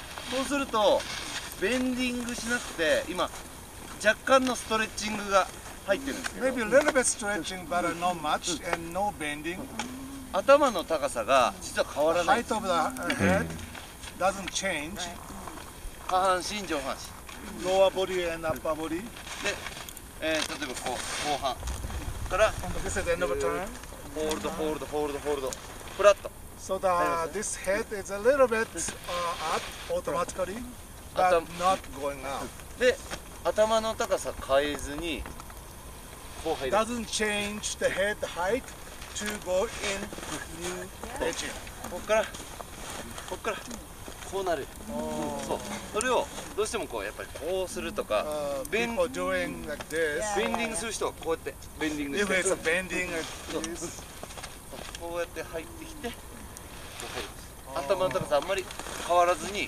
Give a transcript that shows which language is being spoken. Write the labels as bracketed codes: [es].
[ja] そうすると、ベンディングしなくて、今、若干のストレッチングが入ってるんですけど。 [en] Maybe a little bit stretching, but not much, and no bending. [ja] 頭の高さが実は変わらない。 [en] Height of the head doesn't change. [ja] 下半身、上半身。 [en] Lower body and upper body. [ja] で、例えばこう、後半から、 [en] This is the end of a turn. Hold. フラット。 So this head is a little bit up automatically, but not going up. [ja] で、頭の高さ変えずに、こう入る。 [en] Doesn't change the head height to go in new edge. [ja] ここから、こうなる。そう。それを、どうしてもこう、やっぱりこうするとか、 [en] People doing like this. [ja] ベンディングする人はこうやって、ベンディングして [en] る。If it's a bending like this. [ja] こうやって入ってきて、頭の高さあんまり変わらずに